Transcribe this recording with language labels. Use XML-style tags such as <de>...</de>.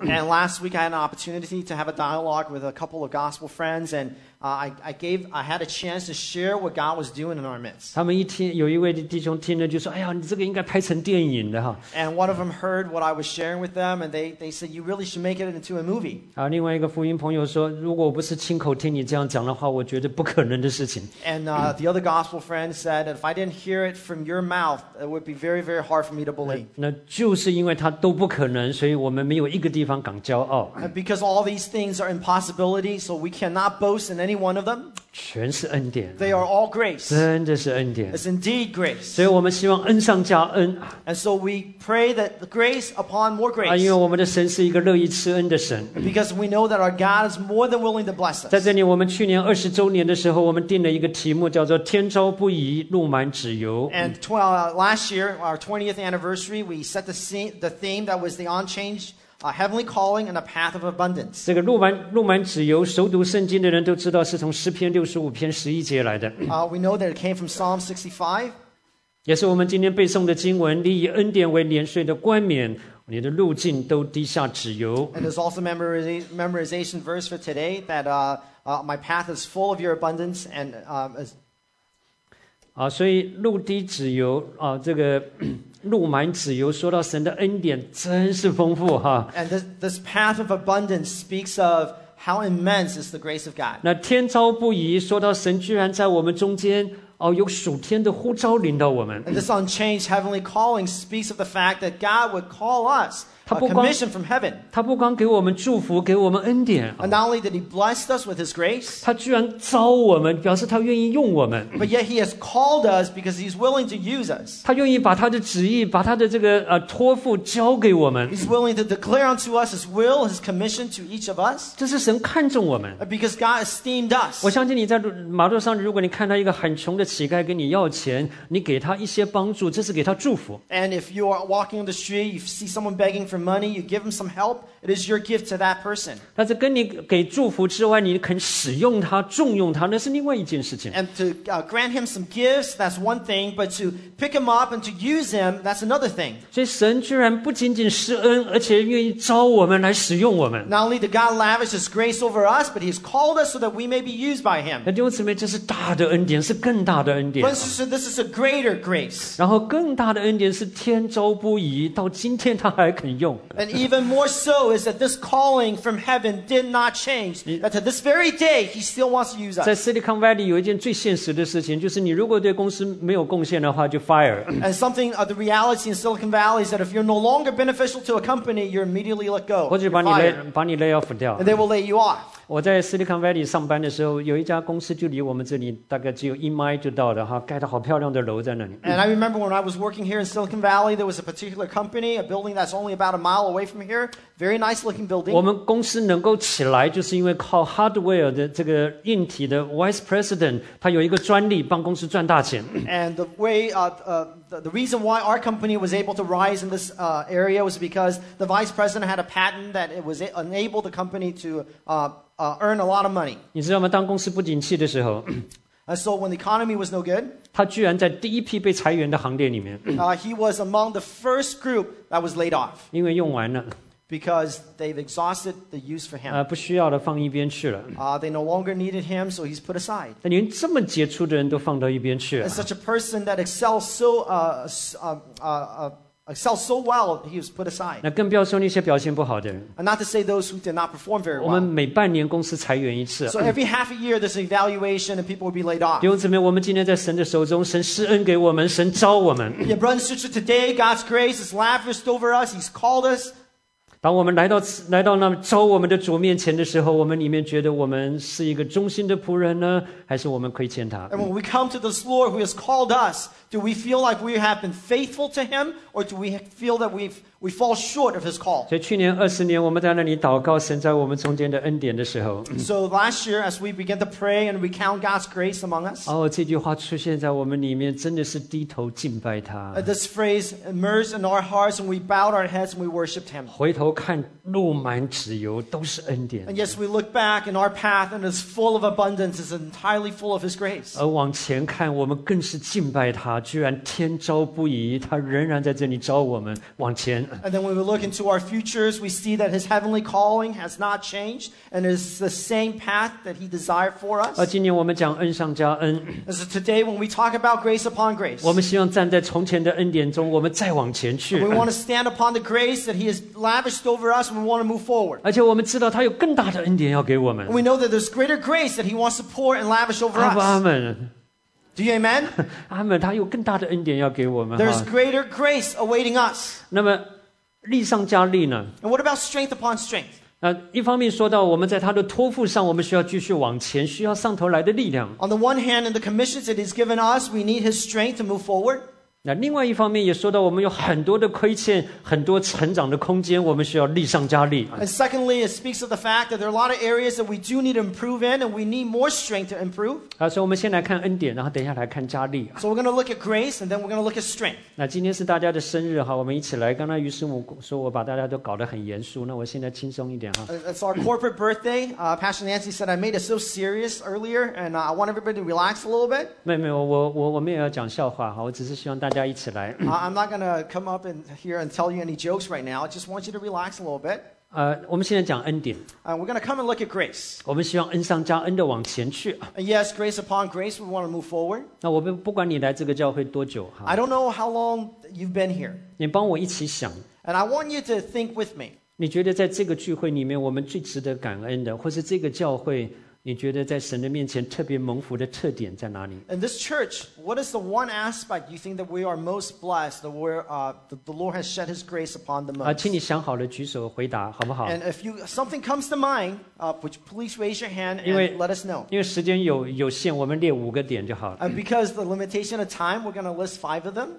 <en>And last week, I had an opportunity to have a dialogue with a couple of gospel friends, and I had a chance to share what God was doing in our midst.</en> <zh>他们一听，有一位弟兄听了就说，哎呀，你这个应该拍成电影的哈。</zh> <en>And one of them heard what I was sharing with them, and they said, you really should make it into a movie.</en> <zh>另外一个福音朋友说，如果我不是亲口听你这样讲的话，我觉得不可能的事情。</zh> <en>And the other gospel friend said, if I didn't hear it from your mouth, it would be very, very hard for me to believe.</en> <zh>那就是因为他都不可能，所以我们没有一个地方敢骄傲。</zh> <en>Because all these things are impossibility, so we cannot boast in any one of them.</en> <zh>全是恩典。</zh> <en>They are all grace.</en> <zh>真的是恩典。</zh> <en>It's indeed grace.</en> <zh>所以我们希望恩上加恩。</zh> <en>And so we pray that grace upon more grace.</en> <zh>因为我们的神是一个乐意赐恩的神。</zh> <en>Because we know that our God is more than willing to bless us.</en> <zh>在这里我们去年二十周年的时候，我们定了一个题目，叫做天朝不移，路满纸油。</zh> <en>And last year, our 20th anniversary, we set the theme that was the unchanged,A heavenly calling and a path of abundance.</en> <zh>这个路满纸油，熟读圣经的人都知道是从诗篇六十五篇十一节来的。</zh> <en>We know that it came from Psalm 65.</en> <zh>也是我们今天背诵的经文，你以恩典为年岁的冠冕，你的路径都滴下脂油。</zh> <en>And it's also memorization verse for today that my path is full of your abundance and</en> <zh>所以路滴脂油这个路满脂油，说到神的恩典真是丰富哈。</zh> <en>And this path of abundance speaks of how immense is the grace of God.</en> <zh>那天朝不移，说到神居然在我们中间。有属天的呼召临到我们。</zh> <en>And this unchanged heavenly calling speaks of the fact that God would call us, a commission from heaven.</en> <zh>他不光给我们祝福，给我们恩典。</zh> <en>And not only did he bless us with his grace,</en> <zh>他居然召我们，表示他愿意用我们。</zh> <en>But yet he has called us because he's willing to use us.</en> <zh>他愿意把他的旨意，把他的这个托付交给我们。</zh> <en>He's willing to declare unto us his will, his commission to each of us.</en> <zh>这是神看重我们。</zh> <en>Because God esteemed us.</en> <zh>我相信你在马路上，如果你看到一个很穷的乞丐跟你要钱，你给他一些帮助，这是给他祝福。</zh> <en>And if you are walking on the street, you see someone begging for money, you give him some help, it is your gift to that person.</en> <zh>但是跟你给祝福之外，你肯使用他、重用他，那是另外一件事情。</zh> <en>And to grant him some gifts, that's one thing, but to pick him up and to use him, that's another thing.</en> <zh>所以神居然不仅仅施恩，而且愿意召我们来使用我们。</zh> <en>Not only did God lavish his grace over us, but he has called us so that we may be used by him.</en> <zh>那弟兄姊妹，这是大的恩典，是更大。</zh> <en>This is a greater grace.</en> <zh>然后更大的恩典是天周不移，到今天他还肯用。</zh> <en>And even more so is that this calling from heaven did not change. That to this very day, he still wants to use us.</en> <zh>在 Silicon Valley 有一件最现实的事情，就是你如果对公司没有贡献的话，就 fire.</zh> <en>And something of the reality in Silicon Valley is that if you're no longer beneficial to a company, you're immediately let go.</en> <zh>或者把你 lay off 掉。</zh> <en>And they will lay you off.</en> <zh>我在 Silicon Valley 上班的时候，有一家公司就离我们这里大概只有一 mile 就到的哈，盖的好漂亮的楼在那里。</zh> <en>And I remember when I was working here in Silicon Valley, there was a particular company, a building that's only about a mile away from here, very nice looking building.</en> <zh>我们公司能够起来，就是因为靠 hardware 的这个硬体的 vice president, 他有一个专利帮公司赚大钱。</zh> <en>And the way the reason why our company was able to rise in this area was because the vice president had a patent that it was enabled the company to earn a lot of money.</en> <zh>你知道吗？当公司不景气的时候</zh> <en>，So when the economy was no good,</en> <zh>他居然在第一批被裁员的行列里面。</zh> <en>He was among the first group that was laid off.</en> <zh>因为用完了。</zh> <en>Because they've exhausted the use for him.</en> <zh>不需要的放一边去了。</zh> <en>They no longer needed him, so he's put aside.</en> <zh>但连这么杰出的人都放到一边去了。</zh> <en>And such a person that excels so excel so well, he was put aside.</en> <zh>那更不要说那些表现不好的人。</zh> <en>And not to say those who did not perform very well.</en> <zh>我们每半年公司裁员一次。</zh> <en>So every half a year, there's an evaluation and people will be laid off.</en> <zh>弟兄姊妹，我们今天在神的手中，神施恩给我们，神召我们。</zh> <en>Yeah, brothers and sisters, today God's grace is lavished over us. He's called us.</en> <zh>当我们来到那招我们的主面前的时候，我们里面觉得我们是一个忠心的仆人呢，还是我们亏欠他？</zh> <en>And when we come to this Lord who has called us, do we feel like we have been faithful to him, or do we feel that we fall short of his call?</en> <zh>所以去年二十年我们在那里祷告神在我们中间的恩典的时候，</zh> <en>So last year as we began to pray and recount God's grace among us,</en> <zh>这句话出现在我们里面，真的是低头敬拜他。</zh> <en>This phrase emerged in our hearts and we bowed our heads and we worshipped him.</en> <zh>回头看路满脂油都是恩典。</zh> <en>And yes, we look back in our path and it's full of abundance, it's entirely full of his grace.</en> <zh>而往前看我们更是敬拜他，居然天召不移，他仍然在这里召我们往前。</zh> <en>And then when we look into our futures, we see that his heavenly calling has not changed and is the same path that he desired for us.</en> <zh>今年我们讲恩上加恩。</zh> <en>And so today when we talk about grace upon grace,</en> <zh>我们希望站在从前的恩典中，我们再往前去。</zh> <en>We want to stand upon the grace that he has lavished over us and we want to move forward.</en> <zh>而且我们知道他有更大的恩典要给我们。</zh> <en>We know that there's greater grace that he wants to pour and lavish over us.</en> <zh>阿们。</zh> <en>Do you amen?</en> <zh>阿们，他有更大的恩典要给我们。</zh> <en>There's greater grace awaiting us.</en> <zh>那么力上加力呢？</zh> <en>And what about strength upon strength?</en> <zh>一方面说到我们在他的托付上，我们需要继续往前，需要上头来的力量。</zh> <en>On the one hand, in the commissions that he's given us, we need his strength to move forward.</en> <zh>那另外一方面也说到我们有很多的亏欠，很多成长的空间，我们需要力上加力。</zh> <en>And secondly, it speaks of the fact that there are a lot of areas that we do need to improve in, and we need more strength to improve.</en> <zh>所以我们先来看恩典，然后等一下来看加力。</zh> <en>So we're going to look at grace, and then we're going to look at strength.</en> <zh>那今天是大家的生日，我们一起来。刚才于师母说我把大家都搞得很严肃，那我现在轻松一点。</zh> <en>It's our corporate birthday. Pastor Nancy said I made it so serious earlier, and I want everybody to relax a little bit.</en> <zh>没有，我们也要讲笑话，我只是希望大家家一起来。</zh> <en>I'm not going to come up in here and tell you any jokes right now. I just want you to relax a little bit.</en> <zh>我们现在讲恩典。</zh> <en>We're going to come and look at grace.</en> <zh>我们希望恩上加恩的往前去。</zh> <en>Yes, grace upon grace. We want to move forward.</en> <zh>那我们不管你来这个教会多久。</zh> <en>I don't know how long you've been here.</en> <zh>你帮我一起想。</zh> <en>And I want you to think with me.</en> <zh>你觉得在这个聚会里面，我们最值得感恩的，或是这个教会？你觉得在神的面前特别蒙福的特点在哪里？</zh> <en>In this church, what is the one aspect you think that we are most blessed, that we're, the Lord has shed His grace upon the most?</en> <zh>请你想好了举手回答好不好？</zh> <en>And if you, something comes to mind, would you please raise your hand and let us know.</en> <zh>因为时间有限，我们列五个点就好了。</zh> <en>And because the limitation of time, we're going to list five of them.</en>